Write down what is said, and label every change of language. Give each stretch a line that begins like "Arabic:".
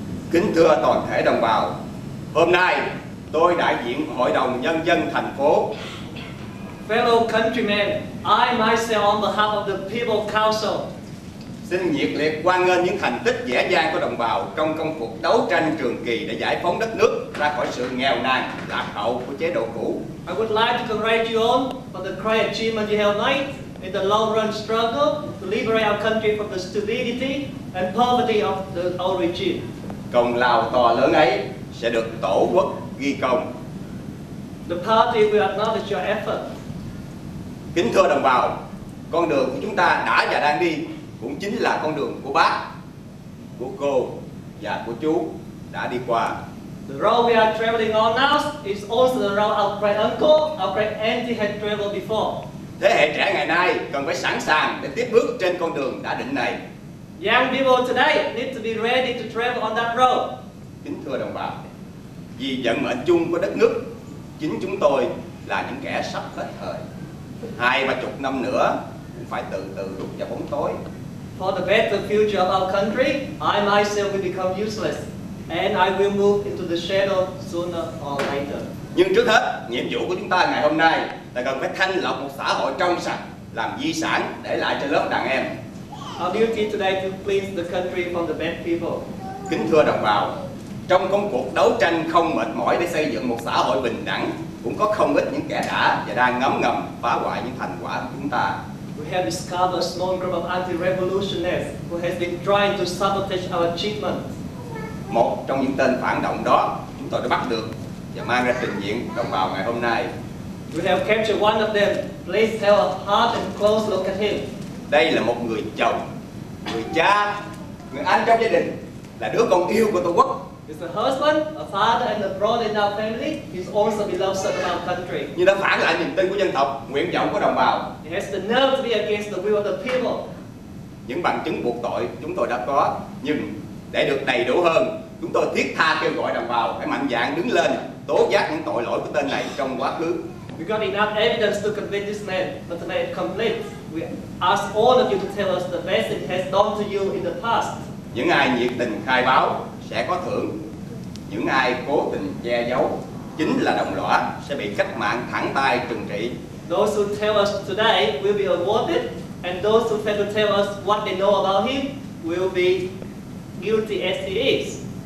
Vietnamese: Kính thưa toàn thể đồng bào, hôm nay tôi đại diện Hội đồng Nhân dân thành phố.
English: Fellow countrymen, I myself on behalf of the People Council.
Vietnamese: Xin nhiệt liệt hoan nghênh những thành tích vẻ vang của đồng bào trong công cuộc đấu tranh trường kỳ để giải phóng đất nước ra khỏi sự nghèo nàn, lạc hậu của chế độ cũ.
English: I would like to congratulate you all for the great achievement you have made in the long run struggle to liberate our country from the stupidity and poverty of the old regime.
Vietnamese: Công lao to lớn ấy sẽ được Tổ quốc ghi công.
English: The party will acknowledge your effort.
Vietnamese: Kính thưa đồng bào, con đường của chúng ta đã và đang đi cũng chính là con đường của bác, của cô và của chú đã đi qua.
English: The road we are traveling on now is also the road our great uncle, our great auntie had traveled before.
Vietnamese: Thế hệ trẻ ngày nay cần phải sẵn sàng để tiếp bước trên con đường đã định này.
English: Young people today need to be ready to travel on that road.
Vietnamese: Kính thưa đồng bào, vì vận mệnh chung của đất nước, chính chúng tôi là những kẻ sắp hết thời. 20 năm nữa cũng phải từ từ rút vào bóng tối.
English: For the better future of our country, I myself will become useless, and I will move into the shadow sooner or later.
Vietnamese: Nhưng trước hết, nhiệm vụ của chúng ta ngày hôm nay là cần phải thanh lọc một xã hội trong sạch, làm di sản để lại cho lớp đàn em.
English: Our duty today to cleanse the country from the bad people.
Vietnamese: Kính thưa đồng bào, trong công cuộc đấu tranh không mệt mỏi để xây dựng một xã hội bình đẳng, cũng có không ít những kẻ đã và đang ngấm ngầm phá hoại những thành quả của chúng ta.
English: We have discovered a small group of anti-revolutionists who has been trying to sabotage our achievement.
Vietnamese: Một trong những tên phản động đó, chúng tôi đã bắt được và mang ra trình diện đồng bào ngày hôm nay.
English: We have captured one of them. Please have a hard and close look at him.
Vietnamese: Đây là một người chồng, người cha, người anh trong gia đình, là đứa con yêu của Tổ quốc.
English: He's a husband, a father and a brother in our family. He's also beloved son of our country.
Vietnamese: Nhưng đã phản lại niềm tin của dân tộc, nguyện vọng của đồng bào.
English: He has the nerve to be against the will of the people.
Vietnamese: Những bằng chứng buộc tội chúng tôi đã có, nhưng để được đầy đủ hơn, chúng tôi thiết tha kêu gọi đồng bào phải mạnh dạn đứng lên, tố giác những tội lỗi của tên này trong quá khứ.
English: We got enough evidence to convict this man, but today it completes. We ask all of you to tell us the best it has done to you in the past.
Vietnamese: Những ai nhiệt tình khai báo sẽ có thưởng. Những ai cố tình che giấu chính là đồng lõa sẽ bị cách mạng thẳng tay trừng trị.
English: Those who tell us today will be awarded, and those who fail to tell us what they know about him will be guilty as he is.